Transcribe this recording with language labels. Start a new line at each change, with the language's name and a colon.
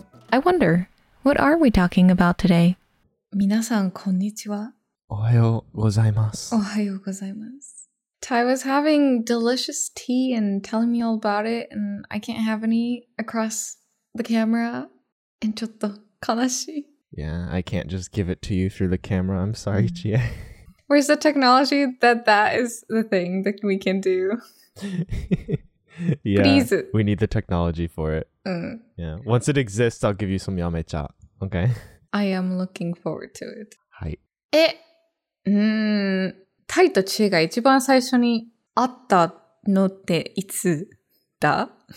English: I wonder, what are we talking about today?
Japanese: 皆さん、こんにちは。おはようございます。おはようございます。
English: Tai was having delicious tea and telling me all about it, and I can't have any across the camera.
Japanese: And ちょっと悲しい。
English: Yeah, I can't just give it to you through the camera. I'm sorry, Chie. Where's the technology that is the thing that we can do? Yeah, please. We need the technology for it. Yeah. Once it exists, I'll give you some yamecha. Okay? I am looking forward to it.
Japanese: はい。タイとチエが一番最初に会ったのっていつだ？